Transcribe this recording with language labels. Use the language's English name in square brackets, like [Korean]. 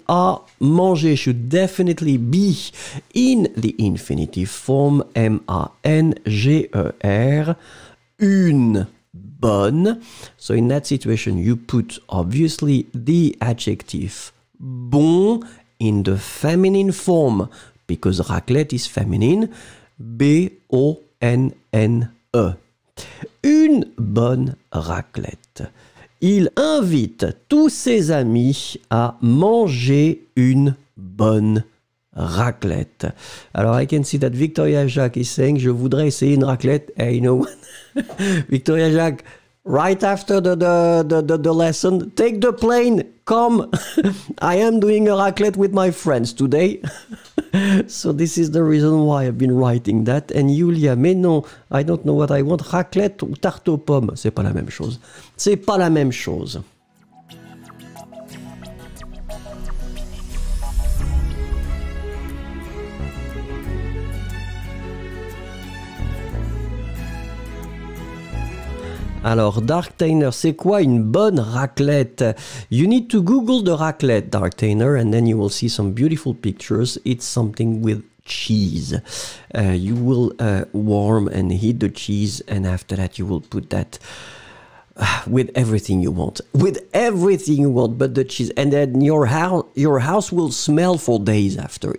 [English] À manger should definitely be in the infinitive form, M-A-N-G-E-R, une. Bonne. So in that situation, you put obviously the adjective bon in the feminine form, because raclette is feminine, B-O-N-N-E. [French] Une bonne raclette. Il invite tous ses amis à manger une bonne raclette. [English] Alors, I can see that Victoria Jacques is saying, [French] je voudrais essayer une raclette. [English] Hey, you know what? Victoria Jacques, right after the lesson, take the plane, come. I am doing a raclette with my friends today. So this is the reason why I've been writing that. And Julia, [French] mais non, [English] I don't know what I want. [French] Raclette ou tarte aux pommes, c'est pas la même chose. C'est pas la même chose. Alors, Darktainer, c'est quoi une bonne raclette? [English] You need to Google the raclette, Darktainer, and then you will see some beautiful pictures. It's something with cheese. You will warm and heat the cheese, and after that you will put that with everything you want. With everything you want, but the cheese. And then your house will smell for days after.